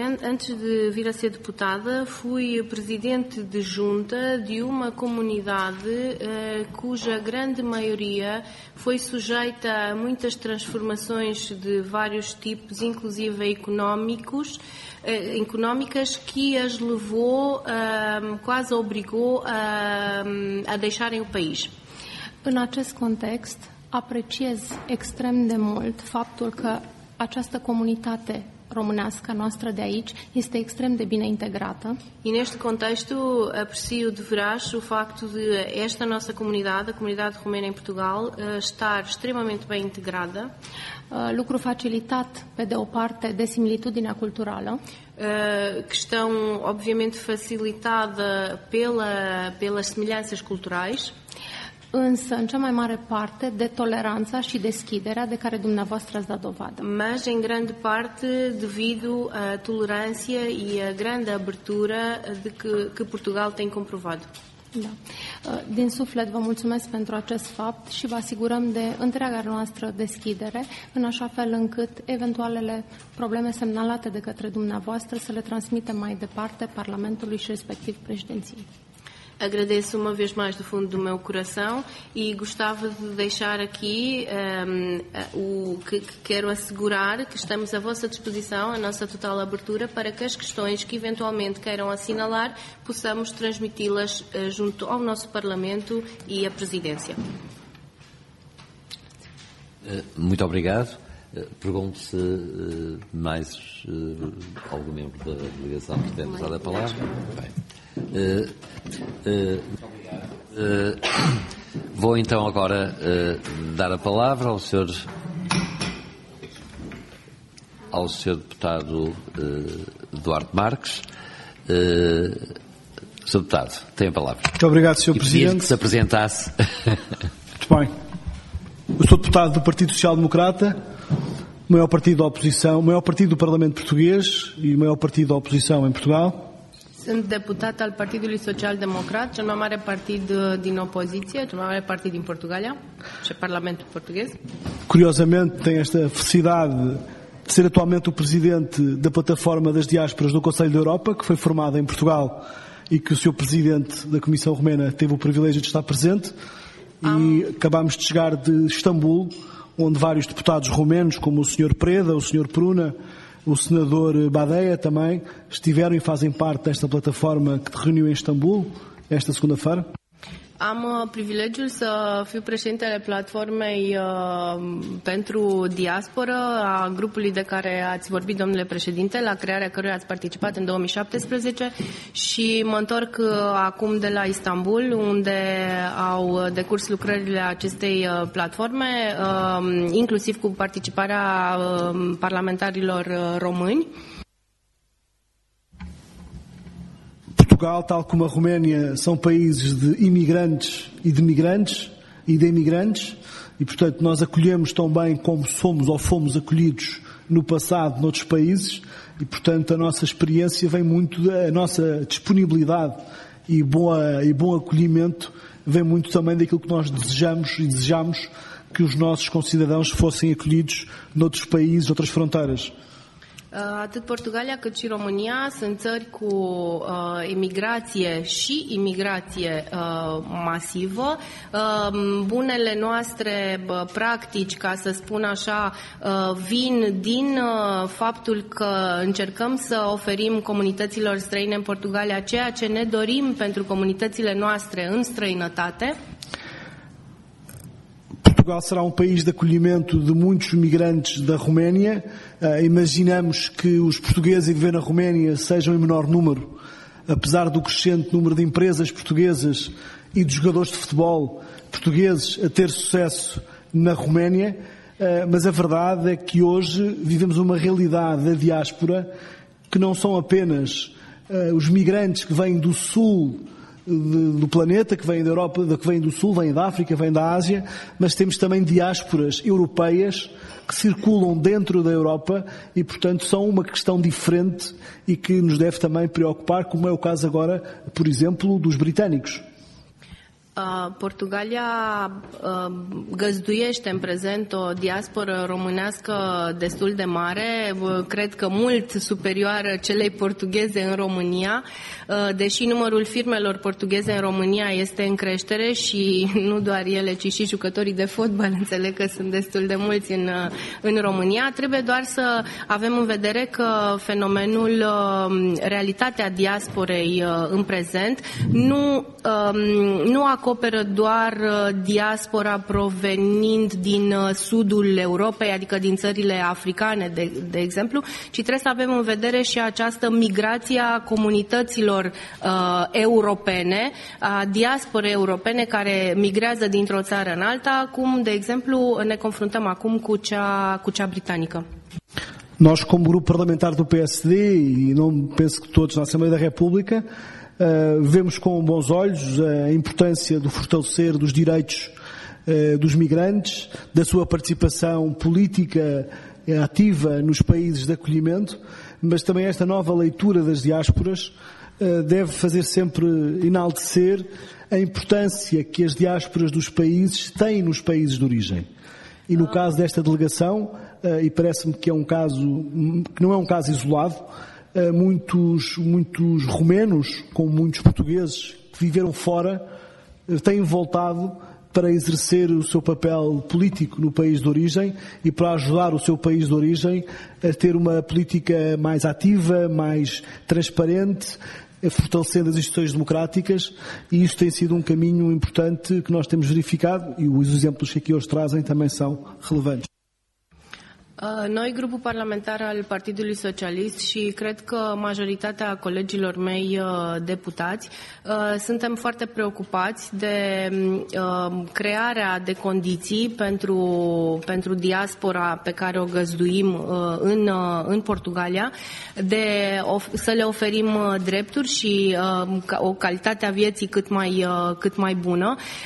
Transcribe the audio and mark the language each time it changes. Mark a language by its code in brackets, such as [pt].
[pt] Antes de vir a ser deputada, fui presidente de junta de uma comunidade cuja grande maioria foi sujeita a muitas transformações de vários tipos, inclusive económicas, que as levou, quase obrigou a deixarem o país. [ro] În acest context, apreciez extrem de mult faptul că această comunitate românească noastră de aici este extrem de bine integrată. [pt] E neste contexto aprecio de veras o facto de esta nossa comunidade, a comunidade romena în Portugal, estar extremamente bem integrada. [ro] Lucru facilitat pe de o parte de similitudinea culturală. [pt] Questão obviamente facilitada pelas semelhanças culturais. [ro] Însă, în cea mai mare parte, de toleranța și deschiderea de care dumneavoastră ați dat dovadă. [pt] Mas, în grande parte, devido a tolerância e a grande abertura de que Portugal tem comprovado. [ro] Da. Din suflet, vă mulțumesc pentru acest fapt și vă asigurăm de întreaga noastră deschidere, în așa fel încât eventualele probleme semnalate de către dumneavoastră să le transmitem mai departe Parlamentului și respectiv președinției. [pt] Agradeço uma vez mais do fundo do meu coração e gostava de deixar aqui o que quero assegurar que estamos à vossa disposição, a nossa total abertura, para que as questões que eventualmente queiram assinalar possamos transmiti-las junto ao nosso Parlamento e à Presidência. Muito obrigado. Pergunto se mais algum membro da delegação pretende usar a palavra. Bem. Vou então agora dar a palavra ao senhor deputado Duarte Marques. Senhor deputado, tem a palavra. Muito obrigado, senhor presidente. Que se apresentasse. Muito bem. Eu sou deputado do Partido Social Democrata, maior partido da oposição, maior partido do Parlamento Português e maior partido da oposição em Portugal. [ro] Sunt deputat al Partidului Social Democrat, cel mai mare partid din opoziție, cel mai mare partid din Portugalia și Parlamentul Portughez. [pt] Curiosamente, tem esta felicidade de ser atualmente o presidente da plataforma das diásporas do Conselho da Europa, que foi formada em Portugal e que o senhor presidente da Comissão Romena teve o privilégio de estar presente. E acabámos de chegar de Istambul, onde vários deputados romenos, como o senhor Preda, o senhor Pruna, o senador Badea também estiveram e fazem parte desta plataforma que se reuniu em Istambul esta segunda-feira. [ro] Am privilegiul să fiu președintele platformei pentru diaspora a grupului de care ați vorbit, domnule președinte, la crearea căruia ați participat în 2017 și mă întorc acum de la Istanbul, unde au decurs lucrările acestei platforme, inclusiv cu participarea parlamentarilor români. [pt] Portugal, tal como a Roménia, são países de imigrantes e de migrantes e de imigrantes e, portanto, nós acolhemos tão bem como somos ou fomos acolhidos no passado noutros países e, portanto, a nossa experiência vem muito da nossa disponibilidade e bom acolhimento vem muito também daquilo que nós desejamos e desejamos que os nossos concidadãos fossem acolhidos noutros países, outras fronteiras. [ro] Atât Portugalia cât și România sunt țări cu emigrație și imigrație masivă. Bunele noastre practici, ca să spun așa, vin din faptul că încercăm să oferim comunităților străine în Portugalia ceea ce ne dorim pentru comunitățile noastre în străinătate. [pt] Portugal será um país de acolhimento de muitos migrantes da Roménia. Imaginamos que os portugueses a viver na Roménia sejam em menor número, apesar do crescente número de empresas portuguesas e de jogadores de futebol portugueses a ter sucesso na Roménia. Mas a verdade é que hoje vivemos uma realidade da diáspora que não são apenas os migrantes que vêm do sul do planeta, que vêm da Europa, que vêm do Sul, vêm da África, vêm da Ásia, mas temos também diásporas europeias que circulam dentro da Europa e, portanto, são uma questão diferente e que nos deve também preocupar, como é o caso agora, por exemplo, dos britânicos. [ro] Portugalia găzduiește în prezent o diasporă românească destul de mare, cred că mult superioară celei portugheze în România, deși numărul firmelor portugheze în România este în creștere și nu doar ele, ci și jucătorii de fotbal înțeleg că sunt destul de mulți în România. Trebuie doar să avem în vedere că fenomenul, realitatea diasporei în prezent nu a acoperă doar diaspora provenind din sudul Europei, adică din țările africane, de exemplu, ci trebuie să avem în vedere și această migrație a comunităților europene, a diasporei europene care migrează dintr-o țară în alta, cum, de exemplu, ne confruntăm acum cu cea britanică. Noi, ca grup parlamentar [pt] do PSD, și nu penso că toți în Asamblea de Republică, vemos com bons olhos a importância do fortalecer dos direitos dos migrantes, da sua participação política ativa nos países de acolhimento, mas também esta nova leitura das diásporas deve fazer sempre enaltecer a importância que as diásporas dos países têm nos países de origem. E no caso desta delegação, e parece-me que é um caso que não é um caso isolado, muitos romenos, como muitos portugueses, que viveram fora, têm voltado para exercer o seu papel político no país de origem e para ajudar o seu país de origem a ter uma política mais ativa, mais transparente, fortalecendo as instituições democráticas, e isso tem sido um caminho importante que nós temos verificado, e os exemplos que aqui hoje trazem também são relevantes. [ro] Noi, grupul parlamentar al Partidului Socialist și cred că majoritatea colegilor mei deputați, suntem foarte preocupați de crearea de condiții pentru diaspora pe care o găzduim în Portugalia, de să le oferim drepturi și o calitate a vieții cât mai bună.